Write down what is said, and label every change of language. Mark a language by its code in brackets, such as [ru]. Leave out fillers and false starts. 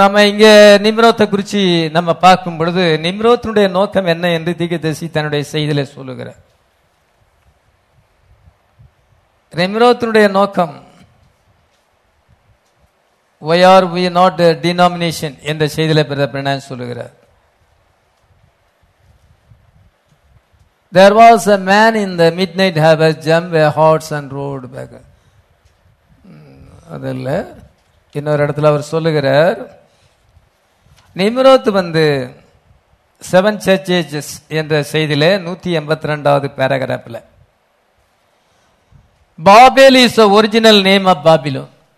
[ta] நம்ம இங்க நிம்ரோத்தை குறித்து நம்ம பார்க்கும் பொழுது நிம்ரோத்தினுடைய நோக்கம் என்ன என்று தீர்க்கதரிசி தன்னுடைய செய்தியில் சொல்லுகிறார். நிம்ரோத்தினுடைய நோக்கம், [en] Why are we not a denomination [ta] என்ற செய்தியில் பிரதான் சொல்லுகிறார். [en] There was a man in the midnight hour jump a horse and rode back. [ta] அதல்ல இன்னொரு இடத்துல அவர் சொல்லுகிறார், நிம்ரோத் வந்து [en] seven churches [ta] என்ற செய்தியில [en] 182 பேராகிராஃப்ல Babel is the original name of Babylon.